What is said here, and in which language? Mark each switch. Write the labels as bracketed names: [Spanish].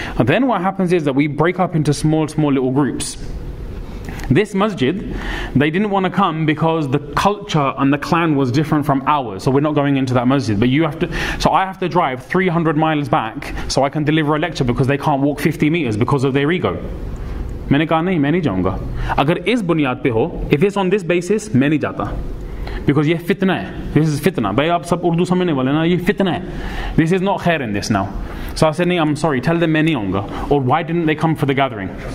[English] And then what happens is that we break up into small little groups. This masjid, they didn't want to come because the culture and the clan was different from ours. So we're not going into that masjid. But you have to. So I have to drive 300 miles back so I can deliver a lecture because they can't walk 50 meters because of their ego. [Urdu] میں نے کہا نہیں، میں نہیں جاؤں گا۔ اگر اس بنیاد پہ ہو، [English] if it's on this basis، [Urdu] میں نہیں جاتا۔ [English] Because [Urdu] یہ فتنہ ہے۔ [English] This is fitna. [Urdu] بھائی، آپ سب اردو سمجھنے والے نا، یہ فتنہ ہے۔ [English] This is not khair in this now. So I said، نہیں، I'm sorry، tell them [Urdu] میں نہیں جاؤں گا۔ [English] Or why didn't they come for the gathering?